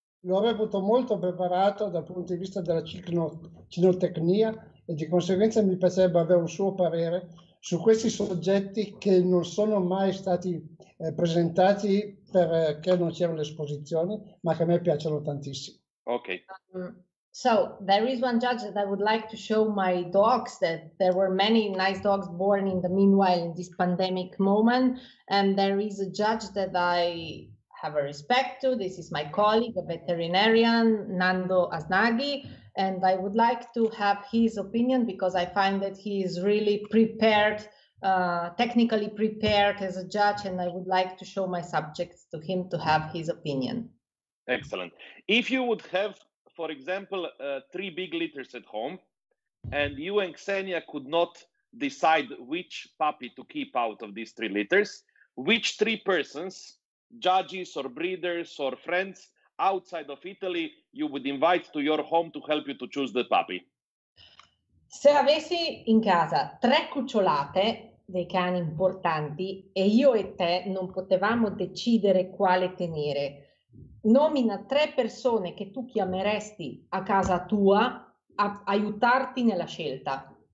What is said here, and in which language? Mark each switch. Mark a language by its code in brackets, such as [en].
[it] lo avevo avuto molto preparato dal punto di vista della cinotecnia, e di conseguenza mi piacerebbe avere un suo parere su questi soggetti che non sono mai stati presentati perché non c'erano esposizioni, ma che a me piacciono tantissimo. [en] So there is one judge that I would like to show my dogs, that there were many nice dogs born in the meanwhile in this pandemic moment, and there is a judge that I have a respect to. This is my colleague, a veterinarian, Nando Asnaghi, and I would like to have his opinion because I find that he is really prepared, technically prepared as a judge, and I would like to show my subjects to him to have his opinion. Excellent. If you would have, for example, 3 big litters at home, and you and Xenia could not decide which puppy to keep out of these 3 litters, which 3 persons, judges or breeders or friends outside of Italy, you would invite to your home to help you to choose the puppy? [it] Se avessi in casa 3 cucciolate dei cani importanti e io e te non potevamo decidere quale tenere, nomina 3 persone che tu chiameresti a casa tua a aiutarti nella scelta.